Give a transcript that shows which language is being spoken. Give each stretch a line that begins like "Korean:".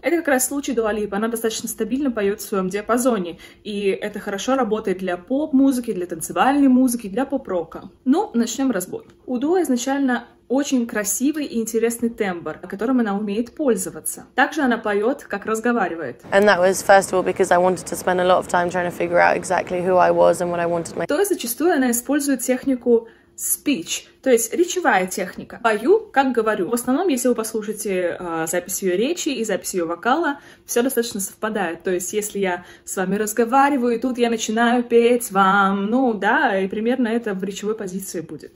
Russian: Это как раз случай Дуа Липы. Она достаточно стабильно поет в своем диапазоне. И это хорошо работает для поп-музыки, для танцевальной музыки, для поп-рока. Ну, начнем разбор. У Дуа изначально очень красивый и интересный тембр, которым она умеет пользоваться. Также она поет, как разговаривает.
English: And that was first of all because I wanted to spend a lot of time trying to figure out exactly who I was and what I wanted.
Russian: То есть зачастую она использует технику speech, то есть речевая техника. Пою, как говорю. В основном, если вы послушаете запись ее речи и запись ее вокала, все достаточно совпадает. То есть, если я с вами разговариваю, и тут я начинаю петь вам, ну да, и примерно это в речевой позиции будет.